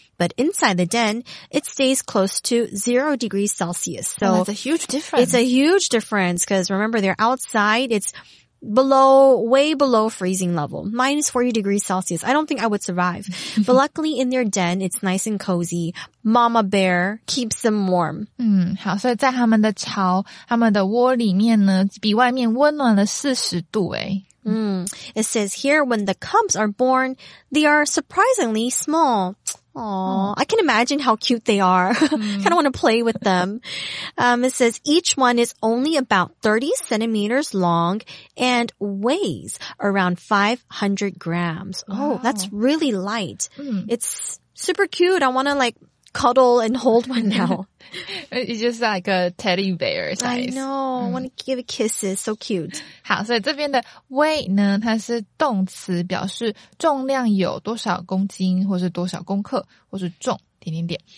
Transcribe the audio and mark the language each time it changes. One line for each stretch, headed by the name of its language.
English: But inside the den, it stays close to 0 degrees Celsius. So well, that's a huge difference. It's a huge difference because remember, they're outside. It's way below freezing level, minus 40 degrees Celsius. I don't think I would survive. But luckily, in their den, it's nice and cozy. Mama bear keeps them warm.
Chinese: 好，所以在他们的巢，他们的窝里面呢，比外面温暖了40度诶。
English: It says here, when the cubs are born, they are surprisingly small. I can imagine how cute they are. Kind of want to play with them. It says each one is only about 30 centimeters long and weighs around 500 grams. Wow. Oh, that's really light. It's super cute. I want to like cuddle and hold one now. It's just like a teddy bear size. I know. I want to give kisses. So cute.
Chinese: 好，所以这边的 weight 呢，它是动词，表示重量有多少公斤，或是多少公克，或是重点点点。